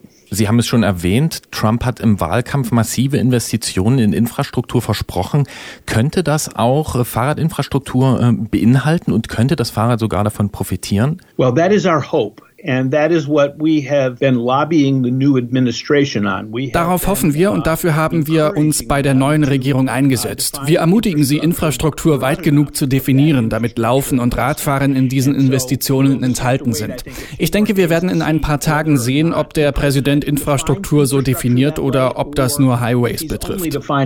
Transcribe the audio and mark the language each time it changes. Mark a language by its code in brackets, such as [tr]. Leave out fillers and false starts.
[de] Sie haben es schon erwähnt, Trump hat im Wahlkampf massive Investitionen in Infrastruktur versprochen. Könnte das auch Fahrradinfrastruktur beinhalten und könnte das Fahrrad sogar davon profitieren? [en] Well, that is our hope. And that is what we have been lobbying the new administration on. [de] Darauf hoffen wir und dafür haben wir uns bei der neuen Regierung eingesetzt. Wir ermutigen sie, Infrastruktur weit genug zu definieren, damit Laufen und Radfahren in diesen Investitionen enthalten sind. Ich denke, wir werden in ein paar Tagen sehen, ob der Präsident Infrastruktur so definiert oder ob das nur Highways betrifft.